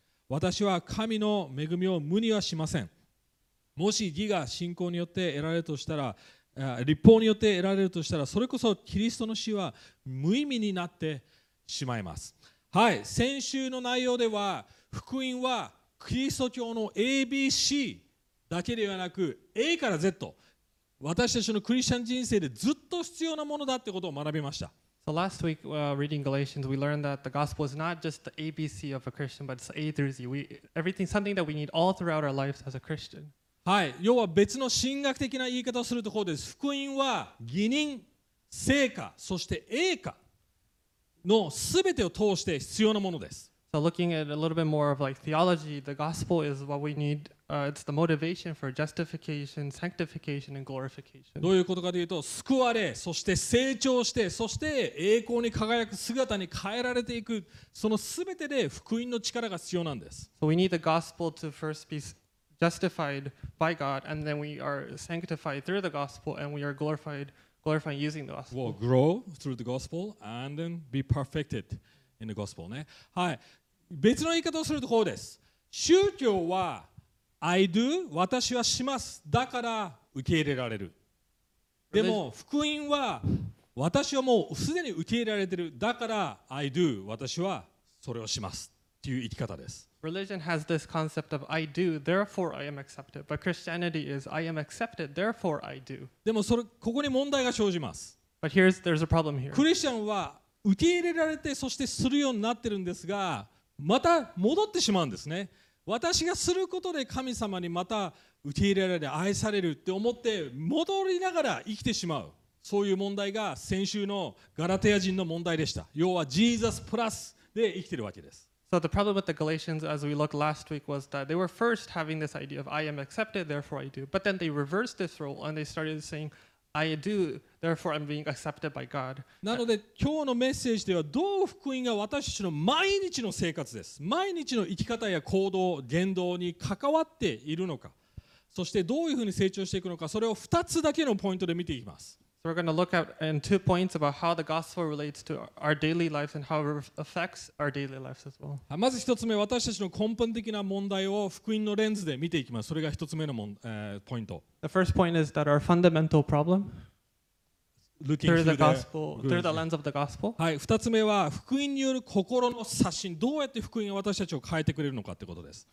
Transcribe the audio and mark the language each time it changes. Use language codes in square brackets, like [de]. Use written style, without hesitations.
[ja] 私は神の恵みを無にはしません。もし義が信仰によって得られるとしたら、律法によって得られるとしたら、それこそキリストの死は無意味になってしまいます。はい、先週の内容では、福音はキリスト教の ABC だけではなく、A から Z、私たちのクリスチャン人生でずっと必要なものだということを学びました。 [en] So last week, reading Galatians, we learned that the gospel is not just the ABC of a Christian, but it's A through Z. Something that we need all throughout our lives as a Christian. [ja] はい、要は別の神学的な言い方をするところです。福音は義人、聖歌、そして栄歌のすべてを通して必要なものです。 [en] So looking at a little bit more of like theology, the gospel is what we need. It's the motivation for justification, sanctification, and glorification. [ja] どういうことかというと、救われ、そして成長して、そして栄光に輝く姿に変えられていく、そのすべてで福音の力が必要なんです。 [en] So we need the gospel to first be justified by God, and then we are sanctified through the gospel, and we are glorifying using the gospel. We'll grow through the gospel, and then be perfected. In the gospel, [ja] ね、はい、別の言い方をするとこうです。宗教は [en] I do、 [ja] 私はします、だから受け入れられる。でも福音は私はもうすでに受け入れられてる、だから [en] I do、 [ja] 私はそれをしますっていう生き方です。 [en] Religion has this concept of I do, therefore I am accepted, but Christianity is I am accepted, therefore I do. [ja] でもそれ、ここに問題が生じます。 [en] But here's a problem here. [ja] クリスチャンは受け入れられてそしてするようになってるんですが、また戻ってしまうんですね。私がすることで神様にまた受け入れられ愛されるって思って戻りながら生きてしまう、そういう問題が先週のガラテヤ人の問題でした。要はジーザスプラスで生きてるわけです。 [en] So the problem with the Galatians, as we looked last week, was that they were first having this idea of I am accepted, therefore I do. But then they reversed this role and they started saying, I do, therefore I'm being accepted by God. [ja] なので今日のメッセージではどう福音が私たちの毎日の生活です。毎日の生き方や行動、言動に関わっているのか、そしてどういうふうに成長していくのか、それを2つだけのポイントで見ていきます。 [en] So we're going to look at in two points about how the gospel relates to our daily lives and how it affects our daily lives as well. [ja] まず一つ目、私たちの根本的な問題を福音のレンズで見ていきます。それが一つ目のポイント。 [en] The first point is that our fundamental problem looking through the gospel, through the lens of the gospel. [ja] はい、二つ目は福音による心の刷新。どうやって福音が私たちを変えてくれるのかってことです。